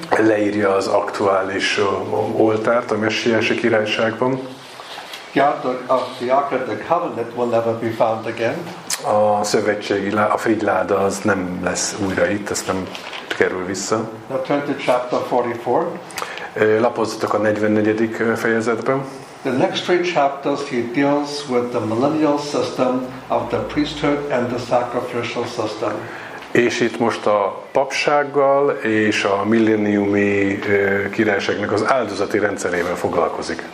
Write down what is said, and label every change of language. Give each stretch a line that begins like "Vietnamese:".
Hungarian: Leírja az aktuális oltárt a messiási királyságban.
English: The Ark of the Covenant will never be found again.
Hungarian: A szövetségi a frigyláda az nem lesz újra itt, ez nem kerül vissza.
English: Now turn to chapter 44.
Hungarian: Lapozzatok a 44. fejezetben.
English: The next three chapters he deals with the millennial system of the priesthood and the sacrificial system.
Hungarian: És itt most a papsággal és a milléniumi királyságnak az áldozati rendszerével foglalkozik.